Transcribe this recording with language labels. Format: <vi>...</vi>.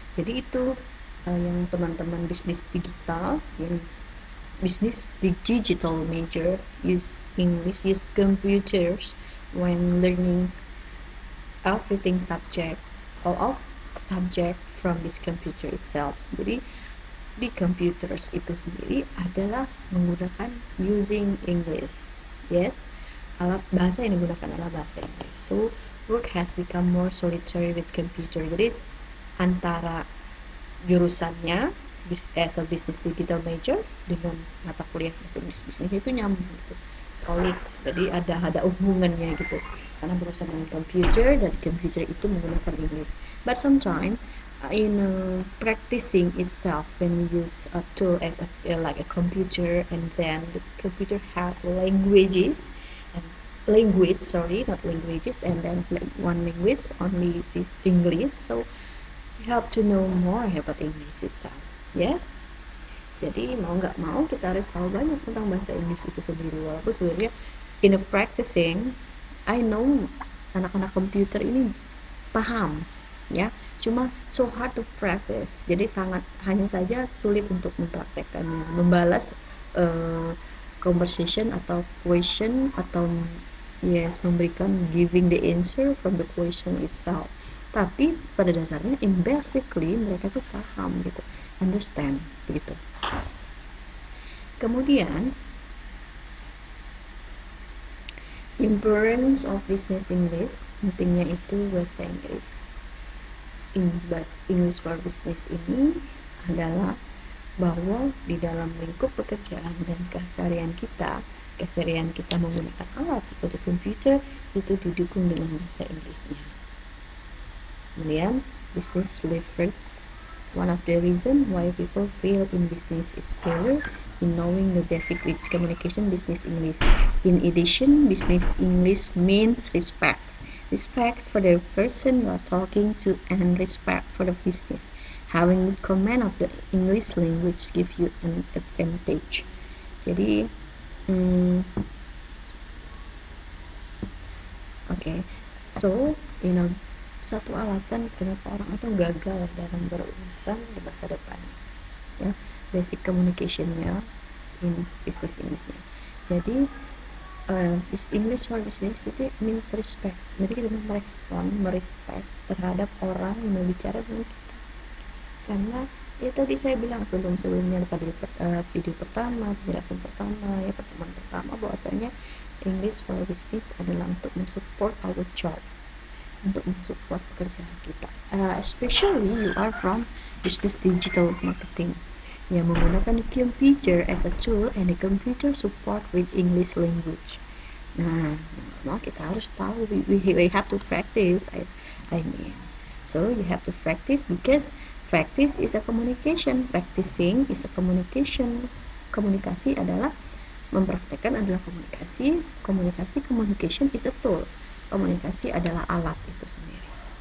<id>Jadi itu yang teman-teman bisnis digital,</id> <en>yang bisnis digital major use English, use computers when learning everything subject, all of subject from this computer itself.</en> <id>Jadi di computers itu sendiri adalah menggunakan</id> <en>using English.</en> <id>Yes, alat bahasa yang digunakan adalah bahasa Inggris.</id> <en>So, work has become more solitary with computer.</en> <id>Jadi, antara jurusannya</id> <en>as a business digital major</en> <id>dengan mata kuliah bahasa Inggris bisnis itu nyambung gitu. Solid. Jadi ada hubungannya gitu. Karena berurusan dengan computer dan computer itu menggunakan Inggris.</id> <en>But sometime in practicing itself when you use a tool as a, like a computer and then the computer has languages language, sorry, not languages, and then like one language, only this English. So, you have to know more about English itself. Yes?</en> <id>Jadi, mau nggak mau, kita harus tahu banyak tentang bahasa Inggris itu sendiri. Walaupun sebenarnya,</id> <en>in a practicing, I know</en> <id>anak-anak komputer ini paham, ya.</id> <en>Cuma, so hard to practice.</en> <id>Jadi, sangat, hanya saja sulit untuk mempraktekannya.</id> <en>Membalas conversation atau question atau yes, memberikan giving the answer from the question itself.</en> <id>Tapi pada dasarnya</id> <en>in basically</en> <id>mereka tuh paham gitu, understand gitu. Kemudian</id> <en>importance of business English,</en> <id>pentingnya itu bahasa Inggris. English for business ini adalah bahwa di dalam lingkup pekerjaan dan keseharian kita menggunakan alat seperti komputer itu didukung dengan bahasa Inggrisnya. Kemudian, business leverage.</id> <en>One of the reason why people fail in business is failure in knowing the basic which communication business English. In addition, business English means respect. Respect for the person you are talking to and respect for the business. Having the command of the English language give you an advantage.</en> <id>Jadi, okay.</id> <en>So, you know,</en> <id>satu alasan kenapa orang itu gagal dalam berurusan di masa depan, ya, basic communication-nya in business English-nya. Jadi, English for business itu</id> <en>means respect.</en> <id>Jadi kita merespek terhadap orang yang berbicara dengan kita. Karena ya tadi saya bilang sebelum-sebelumnya pada video pertama, penjelasan pertama, ya pertemuan pertama bahwasanya English for Business adalah untuk mensupport</id> <en>our job,</en> <id>untuk mensupport pekerjaan kita.</id> <en>Especially you are from business digital marketing</en> <id>yang menggunakan</id> <en>computer as a tool and a computer support with English language.</en> <id>Nah, kita harus tahu,</id> <en>we have to practice, I mean. So, you have to practice because practice is a communication. Practicing is a communication.</en> <id>Komunikasi adalah mempraktekkan adalah komunikasi. Komunikasi,</id> <en>communication is a tool.</en> <id>Komunikasi adalah alat itu sendiri.</id>